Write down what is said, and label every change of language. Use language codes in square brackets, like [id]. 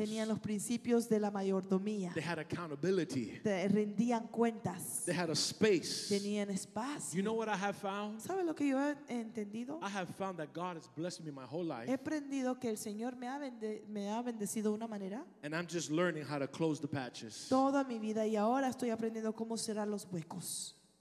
[es] Tenían los principios de la mayordomía. [en] They had accountability. [es] Te rendían cuentas. [en] They had a space. [es] Tenían espacio. [en] You know what I have found? [es] ¿Sabe lo que yo he entendido? [en] I have found that God has blessed me my whole life. [es] He aprendido que el Señor me ha bendecido de una manera. [en] And I'm just learning how to close the patches. [es] Toda mi vida y ahora estoy aprendiendo cómo cerrar los huecos.